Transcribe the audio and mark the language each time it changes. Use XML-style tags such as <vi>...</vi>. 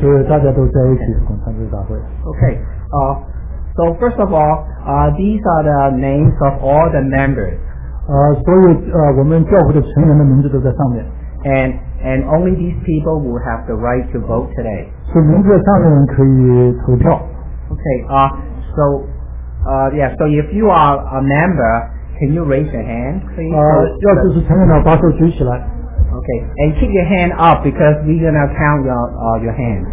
<zh>就是大家都在一起共参这个大会。 Okay,</zh> <en>So first of all, these are the names of all the members.</en> <zh>所有我们教会的成员的名字都在上面。</zh> <en>And only these people will have the right to vote today.</en> <zh>所以名字上面可以投票。 Okay.</zh> <en>So if you are a member, can you raise your hand, please?</en> <zh>要就是成员的把手举起来。</zh> <en>Okay, and keep your hand up because we're going to count your hands.</en>